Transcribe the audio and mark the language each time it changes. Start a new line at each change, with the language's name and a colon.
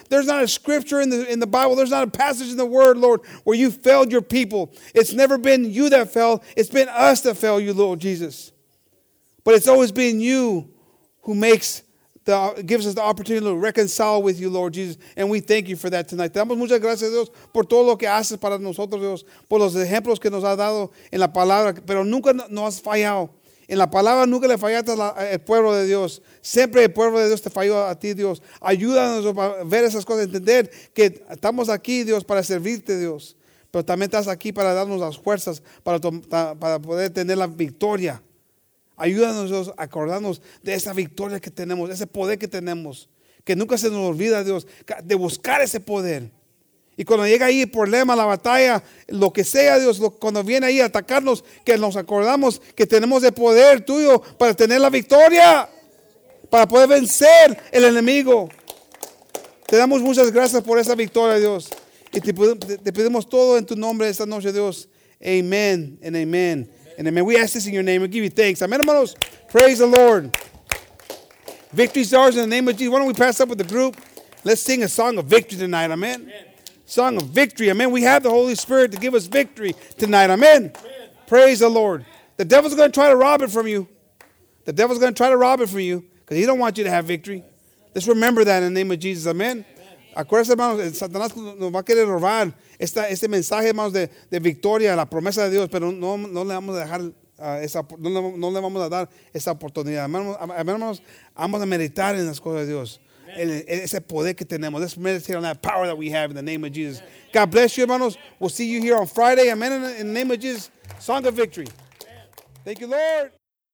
English: There's not a scripture in the Bible. There's not a passage in the Word, Lord, where you failed your people. It's never been you that fell. It's been us that fail you, Lord Jesus. But it's always been you who gives us the opportunity to reconcile with you, Lord Jesus. And we thank you for that tonight.
Spanish: Te damos muchas gracias, Dios, por todo lo que haces para nosotros, Dios, por los ejemplos que nos has dado en la palabra. Pero nunca nos has fallado. En la palabra nunca le fallaste al pueblo de Dios. Siempre el pueblo de Dios te falló a ti, Dios. Ayúdanos a ver esas cosas, entender que estamos aquí, Dios, para servirte, Dios. Pero también estás aquí para darnos las fuerzas, para poder tener la victoria. Ayúdanos, Dios, a acordarnos de esa victoria que tenemos, ese poder que tenemos. Que nunca se nos olvida, Dios, de buscar ese poder. Y cuando llega ahí el problema, la batalla, lo que sea, Dios, cuando viene ahí a atacarnos, que nos acordamos que tenemos el poder tuyo para tener la victoria, para poder vencer el enemigo. Te damos muchas gracias por esa victoria, Dios. Y te pedimos todo en tu nombre esta noche, Dios.
English: Amen and amen. And amen. We ask this in your name. We give you thanks. Amen, hermanos. Praise the Lord. Victory is ours in the name of Jesus. Why don't we pass up with the group? Let's sing a song of victory tonight. Amen. Song of victory. Amen. We have the Holy Spirit to give us victory tonight. Amen. Amen. Praise the Lord. The devil's going to try to rob it from you. The devil's going to try to rob it from you because he don't want you to have victory. Let's remember that in the name of Jesus. Amen.
Spanish: Acuérdense, hermanos, Satanás nos va a querer robar este mensaje, hermanos, de victoria, la promesa de Dios, pero no le vamos a dejar esa, no le vamos a dar esa oportunidad. Hermanos, vamos a meditar en las cosas de Dios. Ese poder que tenemos.
English: Let's meditate on that power that we have in the name of Jesus. God bless you, hermanos. We'll see you here on Friday. Amen. In the name of Jesus, song of victory. Thank you, Lord.